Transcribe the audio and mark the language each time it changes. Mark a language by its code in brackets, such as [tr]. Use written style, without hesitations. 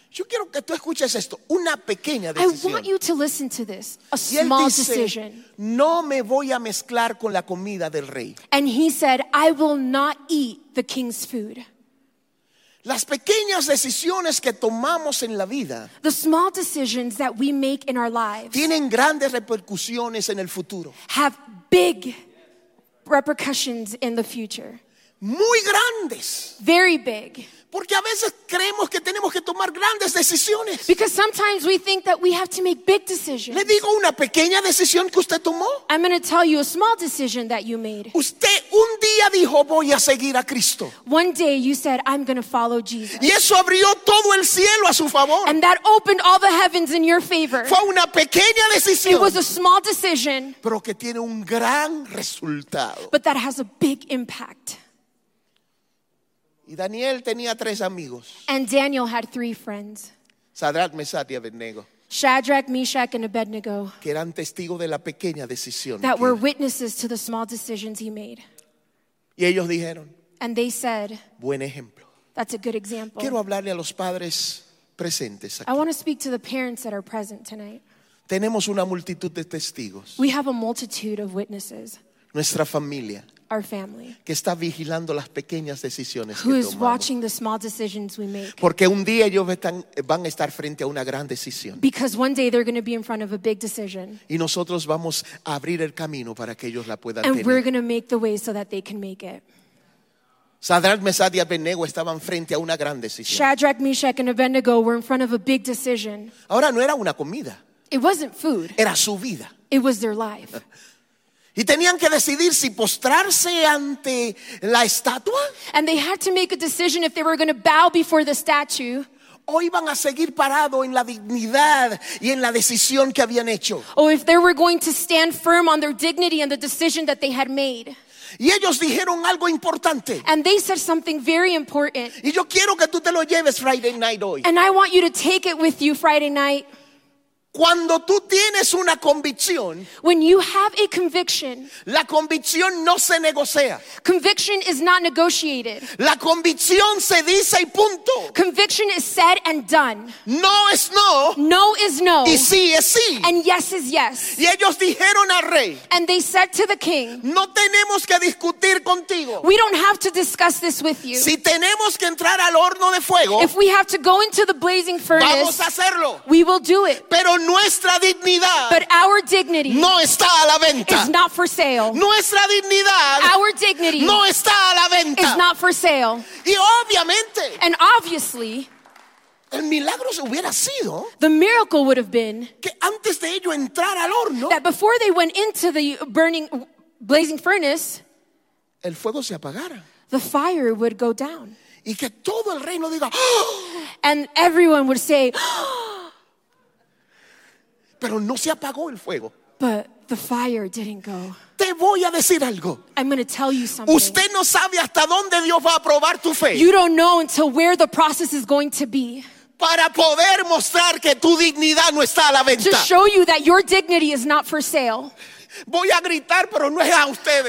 [es] Yo quiero que tú escuches esto, una pequeña decisión. [en] I want you to listen to this, a small decision. [es] No me voy a mezclar con la comida del rey. [en] And he said, I will not eat the king's food. [es] Las pequeñas decisiones que tomamos en la vida, [en] the small decisions that we make in our lives, [es] tienen grandes repercusiones en el futuro. [en] Have big repercussions in the future. [es] Muy grandes. [en] Very big. [es] Porque a veces creemos que tenemos que tomar grandes decisiones. [en] Because sometimes we think that we have to make big decisions. [es] Le digo una pequeña decisión que usted tomó. [en] I'm going to tell you a small decision that you made. [es] Usted un día dijo, voy a seguir a Cristo. [en] One day you said, I'm going to follow Jesus. [es] Y eso abrió todo el cielo a su favor. [en] And that opened all the heavens in your favor. [es] Fue una pequeña decisión. [en] It was a small decision. [es] Pero que tiene un gran resultado. [en] But that has a big impact. [es] Y Daniel tenía tres amigos. [en] And Daniel had three friends. [es] Sadrach, Mesach, y Abednego. [en] Shadrach, Meshach, and Abednego. [es] Que eran testigos de la pequeña decisión. [en] That were witnesses to the small decisions he made. [es] Y ellos dijeron. [en] And they said. [es] Buen ejemplo. [en] That's a good example. [es] Quiero hablarle a los padres presentes aquí. [en] I want to speak to the parents that are present tonight. [es] Tenemos una multitud de testigos. [en] We have a multitude of witnesses. [es] Nuestra familia. [en] Our family, [es] que está vigilando las pequeñas decisiones [en] who [es] que [en] is watching the small decisions we make. [es] Porque un día ellos van a estar frente a una gran decisión. [en] Because one day they're going to be in front of a big decision. [es] Y nosotros vamos a abrir el camino para que ellos la puedan [en] and [es] tener. [en] We're going to make the way so that they can make it. [es] Sadrach, Mesach, y Abednego estaban frente a una gran decisión. [en] Shadrach, Meshach, and Abednego were in front of a big decision. [es] Ahora no era una comida. [en] It wasn't food. [es] Era su vida. [en] It was their life. [es] Y tenían que decidir si postrarse ante la estatua. [en] And they had to make a decision if they were going to bow before the statue. [es] O iban a seguir parado en la dignidad y en la decisión que habían hecho. [en] Or if they were going to stand firm on their dignity and the decision that they had made. [es] Y ellos dijeron algo importante. [en] And they said something very important. [es] Y yo quiero que tú te lo lleves [en] Friday night [es] hoy. [en] And I want you to take it with you Friday night. [es] Cuando tú tienes una convicción, [en] when you have a conviction, [es] la convicción no se negocia. [en] Conviction is not negotiated. [es] La convicción se dice y punto. [en] Conviction is said and done. [es] No es no. [en] No is no. [es] Y sí es sí. [en] And yes is yes. [es] Y ellos dijeron al rey, [en] and they said to the king, [es] no tenemos que discutir contigo. [en] We don't have to discuss this with you. [es] Si tenemos que entrar al horno de fuego, [en] if we have to go into the blazing furnace, [es] vamos a hacerlo. [en] We will do it. [es] Pero nuestra dignidad, [en] but our dignity, [es] no está a la venta. [en] Is not for sale. [es] Nuestra dignidad, [en] our dignity, [es] no está a la venta. [en] Is not for sale. [es] Y obviamente, [en] and obviously, [es] el milagro hubiera sido, [en] the miracle would have been, [es] que antes de ello entrar al horno, [en] that before they went into the burning, blazing furnace, [es] el fuego se apagara. [en] The fire would go down. [es] Y que todo el reino diga, [en] and everyone would say, [es] pero no se apagó el fuego. [en] But the fire didn't go. [es] Te voy a decir algo. [en] I'm going to tell you something. [es] Usted no sabe hasta dónde Dios va a probar tu fe. [en] You don't know until where the process is going to be. [es] Para poder mostrar que tu dignidad no está a la venta. [en] To show you that your dignity is not for sale. [es] Voy a gritar, pero no es a ustedes.